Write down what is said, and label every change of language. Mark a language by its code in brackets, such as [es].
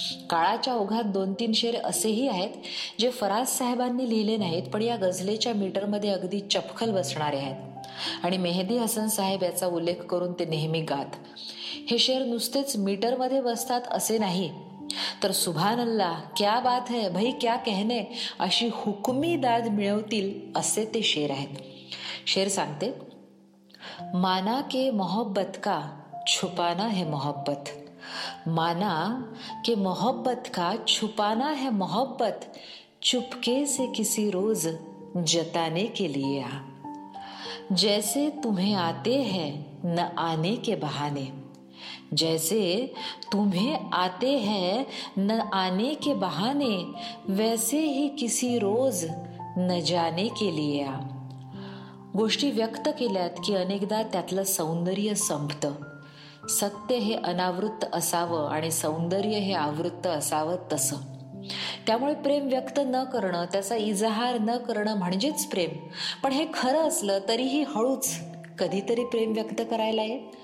[mr] काळाच्या ओघात 2-3 शेर असेही आहेत जे फराज साहेबांनी लिहिले नाहीत, पण या गझलेच्या मीटरमध्ये अगदी चपखल बसणारे आहेत. आणि मेहदी हसन साहेब याचा उल्लेख करून ते नेहमी गात. हे शेर नुसतेच मीटरमध्ये बसतात असे नाही, तर [hi] सुभान अल्लाह क्या बात है भाई क्या कहने [mr] अशी हुकमी दाद मिळवतील असे ते शेर आहेत. शेर सांगते, [hi] माना के मोहब्बत का छुपाना है मोहब्बत, माना के मोहब्बत का छुपाना है मोहब्बत, चुपके से किसी रोज जताने के लिए. जैसे तुम्हें आते हैं न आने के बहाने, जैसे तुम्हें आते हैं न आने के बहाने, वैसे ही किसी रोज न जाने के लिए. [mr] गोष्टी व्यक्त केल्यात की अनेकदा त्यातलं सौंदर्य संपतं. सत्य हे अनावृत्त असावं आणि सौंदर्य हे आवृत्त असावं तसं. त्यामुळे प्रेम व्यक्त न करणं, त्याचा इजहार न करणं म्हणजेच प्रेम. पण हे खरं असलं तरीही हळूच कधीतरी प्रेम व्यक्त करायला ये.